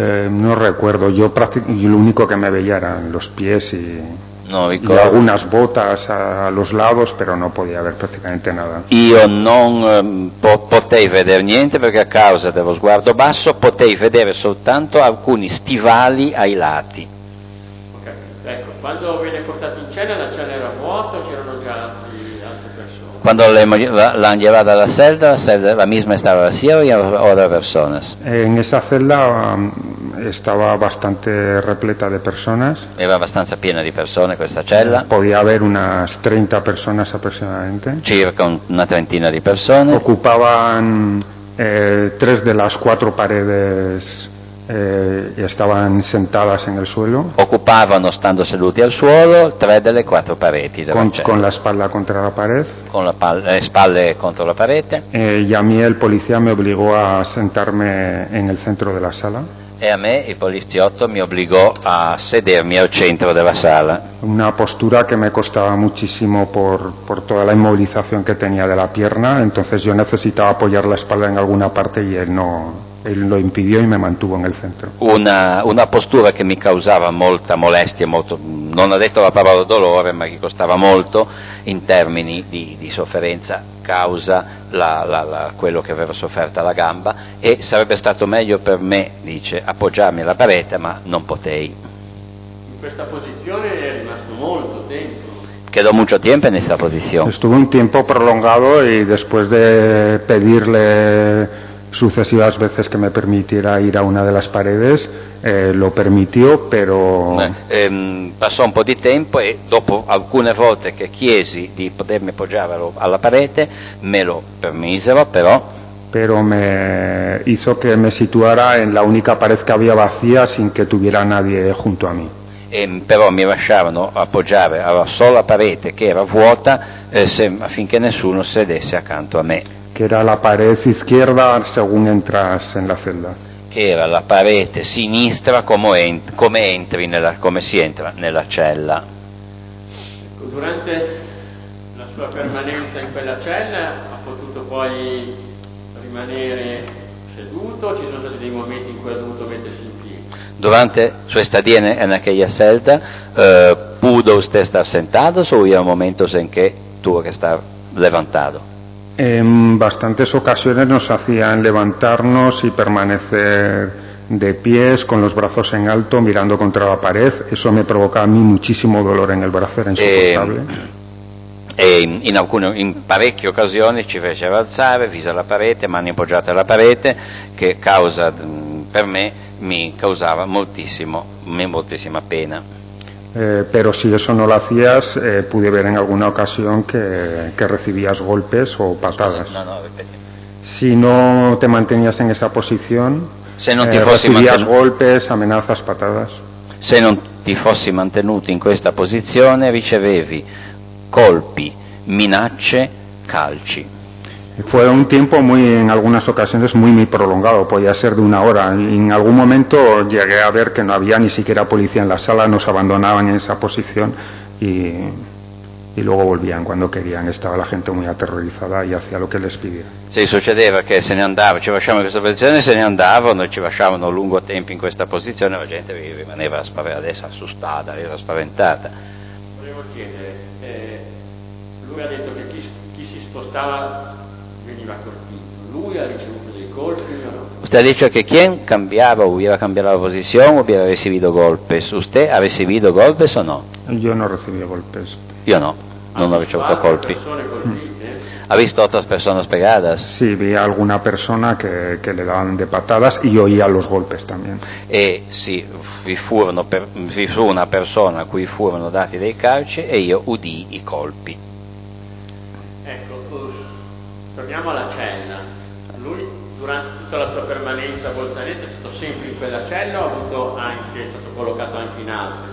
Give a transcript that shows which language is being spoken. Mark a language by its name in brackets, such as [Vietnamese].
[Spanish] No recuerdo, yo prácticamente lo único que me veía eran los pies y algunas botas a los lados, pero no podía ver prácticamente nada. [Italian] Io non potei vedere niente perché a causa dello sguardo basso potei vedere soltanto alcuni stivali ai lati. Okay. Ecco, quando viene portato in cella, la cella era vuota o c'erano già altre persone? Quando l'hanno llevata alla cella, la misma stava vacía o altre persone? [Spanish] In esa cella estaba bastante repleta de personas. [Italian] Era abbastanza piena di persone questa cella. [Spanish] Podía haber unas 30 personas aproximadamente. [Italian] Circa una trentina di persone. [Spanish] Ocupaban tres de las cuatro paredes y estaban sentadas en el suelo. [Italian] Ocupavano, stando seduti al suolo, tre delle quattro pareti. [Spanish] Con la espalda contra la pared. [Italian] Con le spalle contro la parete. [Spanish] Y a mí el policía me obligó a sentarme en el centro de la sala. [Italian] E a me il poliziotto mi obbligò a sedermi al centro della sala. Una postura che mi costava moltissimo per tutta la immobilizzazione che tenía della pierna, entonces io necessitavo appoggiare la spalla in alguna parte e él lo impidió e me mantuvo nel centro. Una postura che mi causava molta molestia, molto, non ha detto la parola dolore, ma che costava molto in termini di sofferenza, causa quello che avevo sofferto alla gamba, e sarebbe stato meglio per me, dice, appoggiarmi alla parete, ma non potei. In questa posizione è rimasto molto tempo. [Spanish] Quedó mucho tiempo en esta posición. Estuvo un tiempo prolongado y después de pedirle sucesivas veces que me permitiera ir a una de las paredes, lo permitió, pero [Italian] pasó un po' di tempo e dopo alcune volte che chiesi di potermi appoggiare alla parete me lo permisero, pero [Spanish] me hizo que me situara en la única pared que había vacía sin que tuviera nadie junto a mí. [Italian] Però mi lasciavano appoggiare alla sola parete che era vuota affinché nessuno sedesse accanto a me. [Spanish] Que era la pared izquierda según entras en la celda. Que era la pared sinistra como si entra en la cella. [Italian] Durante la sua permanencia en quella cella, ha potuto poi rimanere seduto? Ci sono stati dei momenti in cui ha dovuto mettersi in piedi? [Spanish] Durante su estadía en aquella celda, ¿pudo usted estar sentado o hubo momentos en que tuvo que estar levantado? En bastantes ocasiones nos hacían levantarnos y permanecer de pies con los brazos en alto mirando contra la pared. Eso me provocaba a mí muchísimo dolor en el brazo, era insoportable. [Italian] In parecchie occasioni ci faceva alzare, viso alla parete, mani appoggiate alla parete, che causa per me mi causava moltissima pena. [Spanish] Pero si eso no lo hacías, pude ver en alguna ocasión que recibías golpes o patadas. Si no te mantenías en esa posición, recibías golpes, amenazas, patadas. [Italian] Se non ti fossi mantenuto in questa posizione, ricevevi colpi, minacce, calci. [Spanish] Fue un tiempo en algunas ocasiones muy prolongado, podía ser de una hora. En algún momento llegué a ver que no había ni siquiera policía en la sala, nos abandonaban en esa posición y luego volvían cuando querían. Estaba la gente muy aterrorizada y hacía lo que les pidiera. [Italian] Sí, sucedeva que se ne andava, ci lasciavano in questa posizione, se ne andavano, ci lasciavano lungo tempo in questa posizione, la gente rimaneva assustata, era spaventata. Volevo chiedere, lui ha detto che chi si spostava veniva colpito, lui ha ricevuto dei colpi o no? Usted ha detto che chi cambiava, o aveva cambiato la posizione, o aveva ricevuto golpe, usted ha ricevuto golpe o no? Io non ricevo golpe. Io no, non ho ricevuto colpi. [Spanish] ¿Ha visto otras personas pegadas? Sí, vi a alguna persona que le daban de patadas y oía los golpes también. [Italian] Sí, vi fu una persona a cui furono dati dei calci e io udì i colpi. Ecco, torniamo alla cella. Lui, durante tutta la sua permanenza a Bolzaneto, è stato sempre in quella cella o è stato collocato anche in altre?